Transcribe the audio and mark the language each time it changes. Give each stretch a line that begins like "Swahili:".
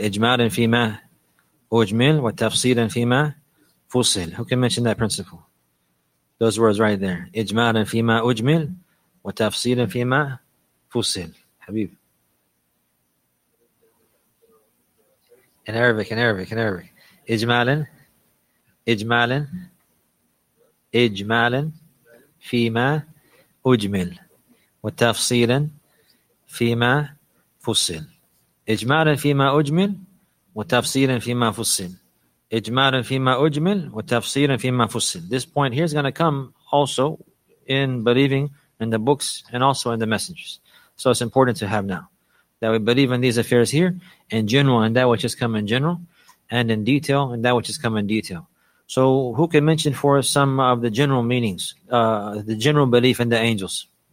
Arabic: إجمال فيما أجمل والتفصيل فيما فصل.
English: Who can mention that principle? Those words right there.
Arabic: إجمال فيما أجمل والتفصيل فيما فصل. Habib.
English: In Arabic. إجمالاً.
Arabic: إجمالا فيما أجمل وتفصيلا فيما فصل. إجمالا فيما أجمل وتفصيلا فيما فصل. إجمالا فيما أجمل وتفصيلا فيما فصل.
English: This point here is going to come also in believing in the books and also in the messengers. So it's important to have now that we believe in these affairs here in general and that which has come in general, and in detail and that which has come in detail. So who can mention for us some of the general meanings, the general belief in the angels?